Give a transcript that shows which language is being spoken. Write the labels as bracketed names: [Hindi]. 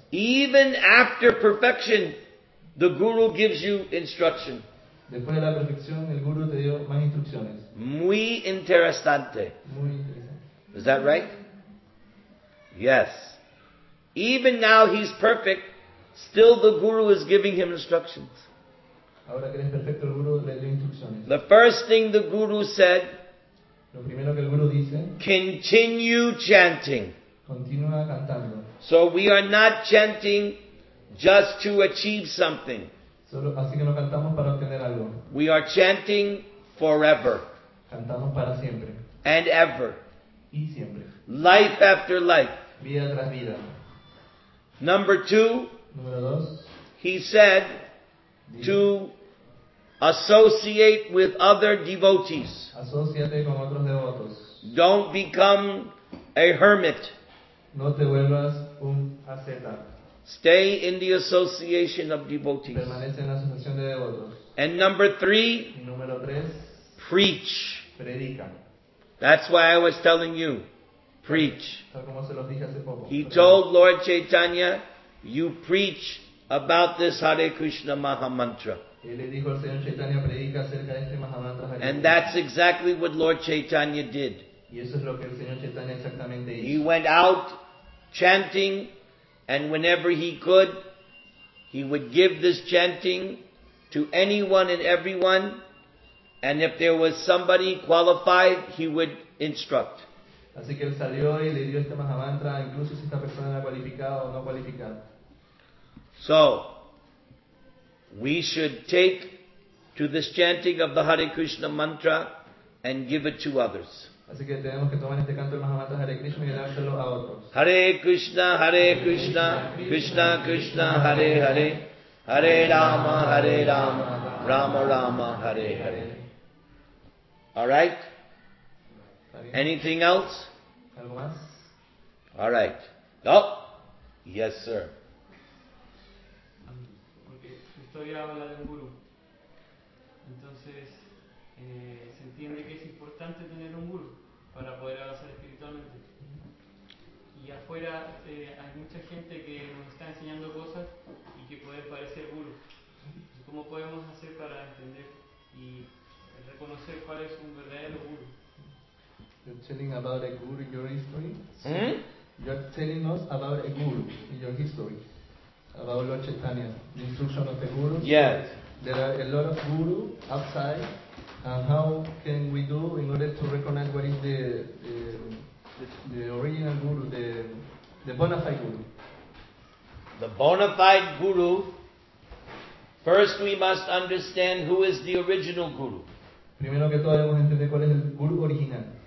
[English] Even after perfection, the guru gives you instruction. [Spanish] Después de la perfección, el guru te dio más instrucciones. Muy interesante. Muy interesante. [English] Is that right? Yes. Even now he's perfect, still the guru is giving him instructions. [Spanish] Ahora que eres perfecto, el guru le dio instrucciones. [English] The first thing the guru said, [Spanish] lo primero que el guru dice, [English] continue chanting. [Spanish] Continúa cantando. [English] So we are not chanting just to achieve something. [Spanish] Solo, así que no cantamos para obtener algo. [English] We are chanting forever. [Spanish] Cantamos para siempre. [English] And ever. [Spanish] Y siempre. [English] Life after life. [Spanish] Vida tras vida. [English] Number 2. [Spanish] Número 2. [English] He said, [Spanish] dime, [English] to associate with other devotees. [Spanish] Asociate con otros devotos. [English] Don't become a hermit. [Spanish] No te vuelvas un asceta. [English] Stay in the association of devotees. [Spanish] Permanece en la asociación de devotos. [English] And number 3. [Spanish] Número 3. [English] Preach. [Spanish] Predica. [English] That's why I was telling you. Preach. [Spanish] Como se los dije hace poco. [English] He told Lord Chaitanya, you preach about this Hare Krishna Maha Mantra. [Spanish] Y le dijo al Señor Chaitanya, predica acerca de este Maha Mantra. [English] And that's exactly what Lord Chaitanya did. [Spanish] Y eso es lo que el Señor Chaitanya exactamente hizo. [English] He went out chanting. And whenever he could, he would give this chanting to anyone and everyone. And if there was somebody qualified, he would instruct. [Spanish] Así que él salió y le dio este mahamantra, incluso si esta persona era cualificada o no cualificada. [English] So, we should take to this chanting of the Hare Krishna mantra and give it to others. [Spanish] Así que tenemos que tomar este canto del Mahamantra Hare Krishna y dárselo a otros. [English] Hare Krishna, Hare Krishna, Krishna Krishna, Hare Hare, Hare Rama, Hare Rama, Rama Rama, Hare Hare. All right? Anything else? [Spanish] Algo más? [English] All right. Oh, yes, sir. [Spanish] Estoy a hablar del guru. Entonces, se entiende que es importante tener un guru para poder avanzar espiritualmente. Y afuera hay mucha gente que nos está enseñando cosas y que puede parecer guru. ¿Cómo podemos hacer para entender y reconocer cuál es un verdadero guru? [English] You're telling about a guru in your history? [Spanish] Sí. ¿Mm? [English] You're telling us about a guru in your history. About Lord Chaitanya, the instruction of the guru. Yes. There are a lot of guru outside. How can we do in order to recognize what is the original guru, the bona fide guru? the bona fide guru, first we must understand who is the original guru. [Spanish] Primero que todo debemos entender cuál es el guru original.